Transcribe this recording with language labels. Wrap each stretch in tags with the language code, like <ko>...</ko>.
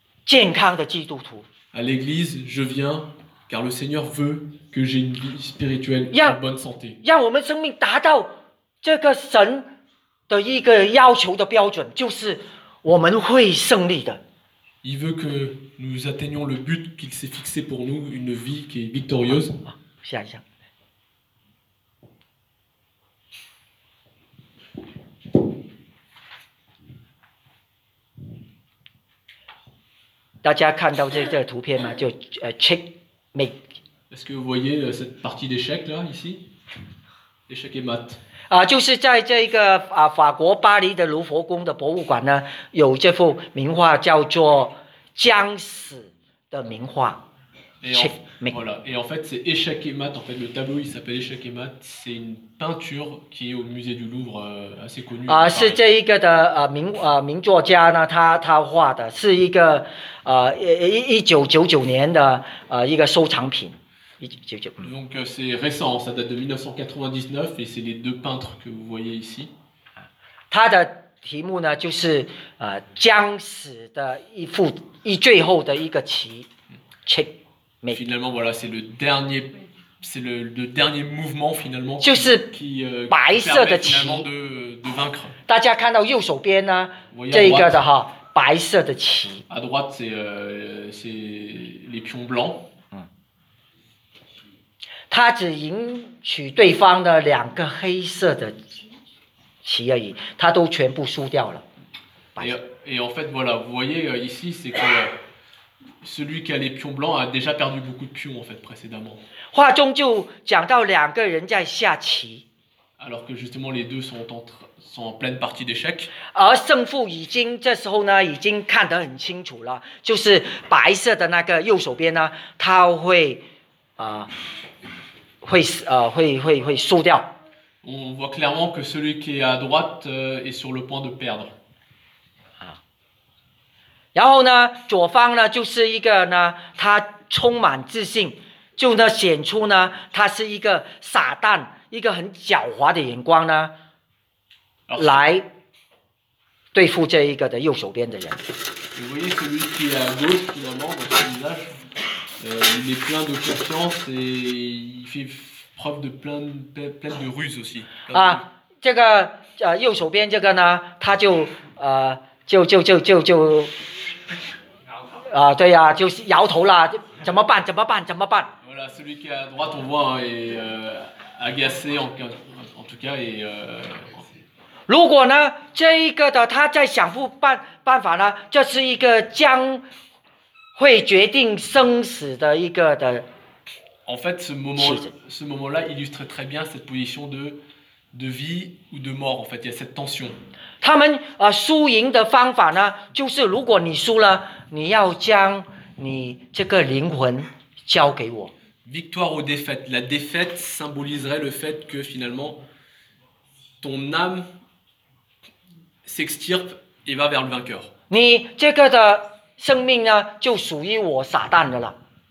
<fr>À l'église, je viens car le Seigneur veut que j'ai une vie spirituelle en bonne santé.</fr> <zh>让我们生命达到这个神的一个要求的标准，就是我们会胜利的。</zh> <fr>Il veut que nous atteignions le but qu'il s'est fixé pour nous, une vie qui est victorieuse.</fr> <zh>下一下。大家看到这图片吗？就checkmate。</zh> <fr>Est-ce que vous voyez cette partie d'échec là, ici? Échec et mat.</fr> <zh>就是在这个法国巴黎的卢浮宫的博物馆呢，有这幅名画叫做《将死的名画》。</zh> <fr>Voilà. Et en fait, c'est échec et mat. En fait, le tableau il s'appelle échec et mat. C'est une peinture qui est au musée du Louvre, assez connue.</fr> <zh>是这一个的名作家呢，他画的，是一个1999年的一个收藏品。</zh> <fr>Donc c'est récent, ça date de 1999 et c'est les deux peintres que vous voyez ici.</fr> <zh>他的题目呢就是将死的一最后的一个棋 checkmate.</zh> <fr>Finalement voilà, c'est le dernier, c'est le dernier mouvement finalement.</fr> <zh>就是白色的棋</zh> <fr>de vaincre.</fr> <zh>大家看到右手边呢这一个的哈白色的棋。</zh> <fr>À droite c'est les pions blancs.</fr> <zh>他只赢取对方的两个黑色的棋而已，他都全部输掉了。</zh> <fr>Et en fait, voilà, vous voyez ici, c'est que celui qui a les pions blancs a déjà perdu beaucoup de pions en fait précédemment.</fr> <zh>画中就讲到两个人在下棋。</zh> <fr>Alors que justement les deux sont en pleine partie d'échec.</fr> <zh>而胜负已经这时候呢已经看得很清楚了，就是白色的那个右手边呢，他会会输掉。</zh> <fr>On voit clairement que celui qui est à droite est sur le point de perdre.</fr> <zh>然后呢，左方呢就是一个呢，他充满自信，就呢显出呢他是一个傻蛋，一个很狡猾的眼光呢，来对付这一个的右手边的人。</zh> <fr>Vous voyez celui qui est à gauche finalement dans son visage. Il est plein de confiance et il fait preuve de plein de ruses aussi.</fr> <zh>啊，这个右手边这个呢，他就就啊，对呀，就是摇头了，怎么办？怎么办？怎么办</zh> <fr>？Voilà, celui qui est à droite, on voit est agacé en tout cas et</fr> <zh>如果呢，这一个的他在想不办法呢，这是一个将会决定生死的一个的。</zh> <fr>En fait, ce moment-là illustre très bien cette position de vie ou de mort. En fait, il y a cette tension.</fr> <zh>他们啊，输赢的方法呢，就是如果你输了，你要将你这个灵魂交给我。</zh> <fr>Victoire ou défaite. La défaite symboliserait le fait que finalement ton âme s'extirpe et va vers le vainqueur.</fr> <zh>你这个的生命呢，就属于我撒旦的了。</zh>